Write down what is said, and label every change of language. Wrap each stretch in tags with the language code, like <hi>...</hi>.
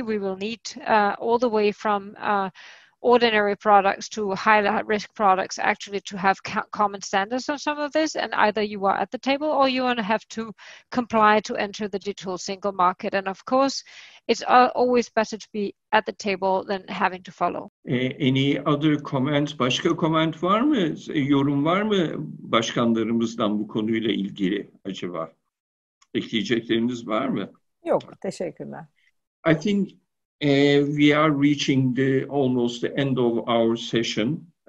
<en>We will need all the way from ordinary products to high risk products actually to have common standards on some of this, and either you are at the table or you want to have to comply to enter the digital single market. And of course, it's always better to be at the table than having to follow. Any other comments?</en> <tr>Başka comment var mı? Yorum var mı başkanlarımızdan bu konuyla ilgili acaba? Ekleyecekleriniz var mı? Yok, teşekkürler.</tr> <en>I think we are reaching almost the end of our session.</en>